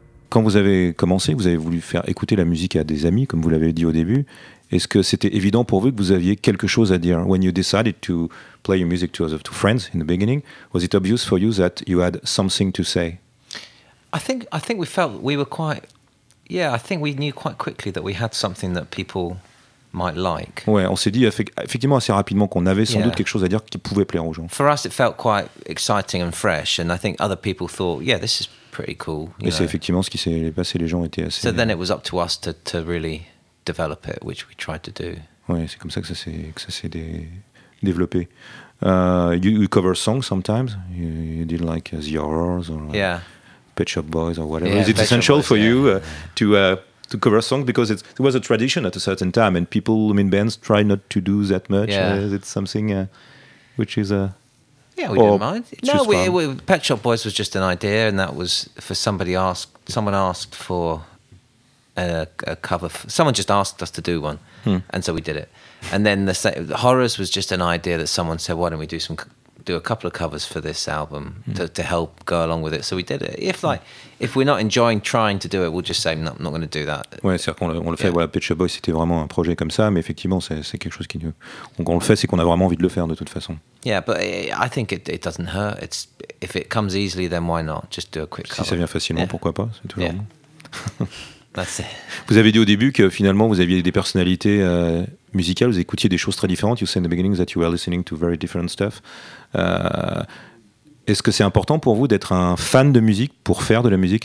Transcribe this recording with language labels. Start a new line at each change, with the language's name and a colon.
French: quand vous avez commencé, vous avez voulu faire écouter la musique à des amis, comme vous l'avez dit au début. Est-ce que c'était évident pour vous que vous aviez quelque chose à dire?
English: When you decided to play your music to friends in the beginning, was it obvious for you that you had something to say? I think we felt we were quite, yeah, I think we knew quite quickly that we had something that people might like.
French: Ouais, on s'est dit effectivement assez rapidement qu'on avait sans doute quelque chose à dire qui pouvait plaire aux gens.
English: For us, it felt quite exciting and fresh, and I think other people thought, yeah, this is pretty cool.
French: Et c'est effectivement ce qui s'est passé. Les gens étaient assez.
English: So then it was up to us to really develop it, which we tried to do.
French: Ouais, c'est comme ça que ça s'est développé.
English: You cover songs sometimes. You did like The Horrors or yeah. Pet Shop Boys or whatever. Yeah, is it essential for you to cover a song? Because it was a tradition at a certain time, and people, I mean, bands try not to do that much. Yeah. Is it something which is a... Yeah, we don't mind. No, Pet Shop Boys was just an idea, and that was for someone asked for a cover. Someone just asked us to do one, and so we did it. And then the Horrors was just an idea that someone said, why don't we do some... do a couple of covers for this album to help go along with it. So we did it. If we're not enjoying trying to do it, we'll just say, no, I'm not going to do that.
French: Ouais, c'est-à-dire qu'on le fait. Yeah. Voilà, Pet Shop Boys, c'était vraiment un projet comme ça, mais effectivement, c'est quelque chose qui nous... Donc, on le fait, c'est qu'on a vraiment envie de le faire, de toute façon.
English: Yeah, but I think it doesn't hurt. It's, if it comes easily, then why not? Just do a quick cover.
French: Si ça vient facilement, pourquoi pas? C'est toujours bon.
English: That's it.
French: Vous avez dit au début que finalement, vous aviez des personnalités... musical, vous écoutiez des choses très différentes.
English: You said in the beginning that you were listening to very different stuff.
French: Est-ce que c'est important pour vous d'être un fan de musique pour faire de la musique?